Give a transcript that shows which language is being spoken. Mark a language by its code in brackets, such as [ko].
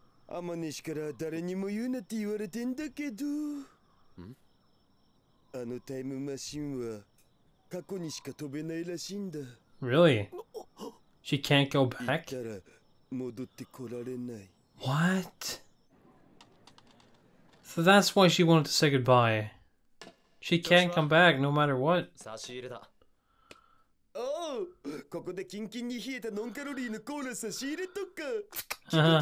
[ja] アマネシから誰にも言うなって言われてんだけど。あのタイムマシンは過去にしか飛べないらしいんだ。 [en] Really? She can't go back? 行 [ja] ったら戻ってこられない。 [en] What? So that's why she wanted to say goodbye. She can't come back no matter what. [ja] 差し入れだ。 Oh! ここでキンキンに冷えたノンカロリーのコーラ差し入れとか。